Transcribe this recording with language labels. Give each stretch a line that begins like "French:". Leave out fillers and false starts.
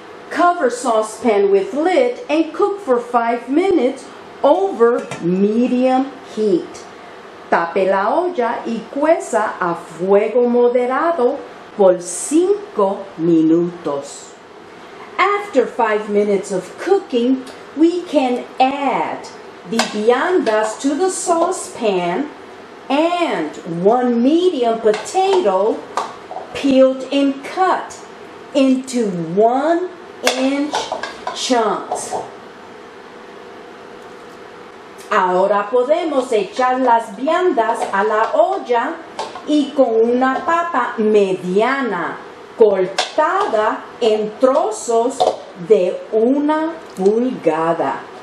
English: Cover saucepan with lid and cook for 5 minutes over medium heat.
Spanish: Tape la olla y cueza a fuego moderado por 5 minutos.
English: After 5 minutes of cooking, we can add the viandas to the saucepan and one medium potato peeled and cut into 1-inch chunks.
Spanish: Ahora podemos echar las viandas a la olla y con una papa mediana cortada en trozos de una pulgada.